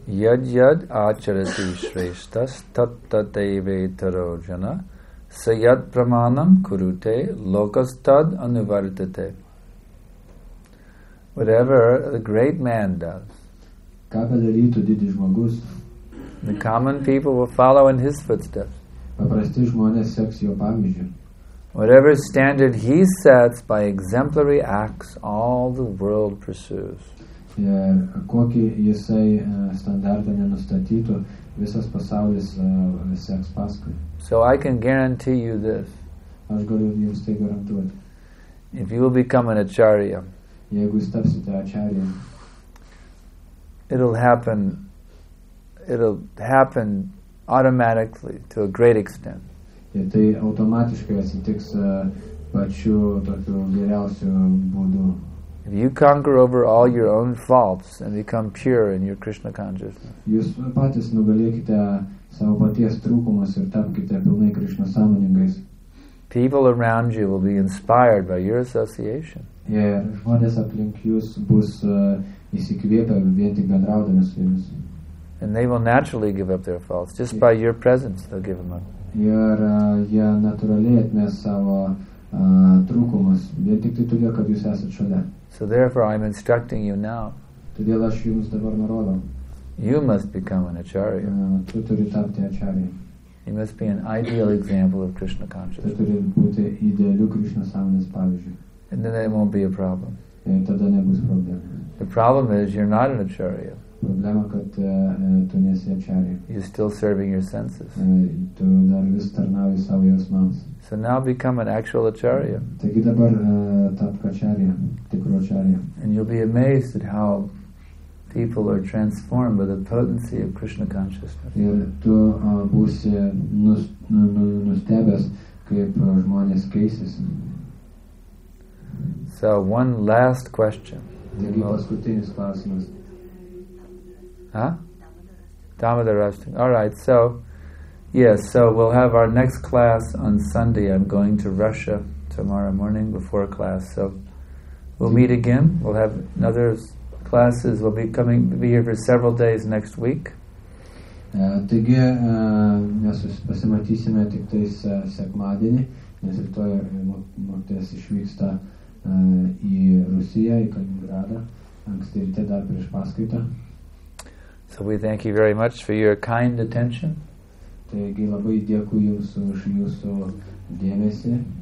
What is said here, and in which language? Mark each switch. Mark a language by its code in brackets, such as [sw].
[sa] Yad yad acharati shreshtas tat tat evetaro jana sayad pramanam kurute lokastad anuvartate. [en] Whatever a great man does, [lt] ką padarytų didis žmogus, [en] the common people will follow in his footsteps. [lt] Paprasti žmonės seks jo pavyzdžiu. [en] Whatever standard he sets by exemplary acts, all the world pursues. [lt] Kokį jisai standartą nenustatytų, visas pasaulis seks paskui. [en] So I can guarantee you this. [lt] Aš galiu jums tai garantuoti. [en] If you will become an acharya, [lt] jeigu jūs tapsite acharya, [en] it'll happen automatically to a great extent. [lt] Ir tai automatiškai atsitiks pačiu tokiu geriausiu būdu. [en] If you conquer over all your own faults and become pure in your Krishna consciousness. [lt] Jūs patys nugalėkite savo paties trūkumus ir tapkite pilnai Krishna sąmoningais. [en] People around you will be inspired by your association. [lt] Ir žmonės aplink jūs bus įsikvėpę vien tik bendraudami su jumis. [en] And they will naturally give up their faults. Just by your presence, they'll give them up. [lt] Ir jie natūraliai atmes savo trūkumus, vien tik tai todėl, kad jūs esat šalia. [en] So therefore I'm instructing you now. [lt] Todėl aš jums dabar nurodau. [en] You must become an acharya. [lt] Tu turi tapti acharya. [en] You must be an ideal example of Krishna consciousness. [lt] Tu turi būti idealiu Krishna sąmonės pavyzdžiu. [en] And then there won't be a problem. [lt] Ir tada nebus problemų. [en] The problem is you're not an acharya. [lt] Problema, kad tu nesi acharya. [en] You're still serving your senses. [lt] Tu dar vis tarnauji savo jausmams. [en] So now become an actual acharya. [lt] Taigi dabar tapk acharya, tikru acharya. [en] And you'll be amazed at how people are transformed by the potency of Krishna consciousness. [lt] Ir tu būsi nustebęs, kaip žmonės keisis. [en] So one last question. [lt] Taigi paskutinis klausimas. [en] Huh? Damodarashtra. All right, so, yes, so we'll have our next class on Sunday. I'm going to Russia tomorrow morning before class, so we'll meet again. We'll have another classes. We'll be coming, be here for several days next week. [lt] Taigi, mes pasimatysime tik tais sekmadienį, nes rytoj mokytojas išvyksta į Rusiją, į Kaliningradą, anksti ryte dar prieš paskaitą. [en] So we thank you very much for your kind attention. [lt] Taigi labai dėkui jums už jūsų dėmesį.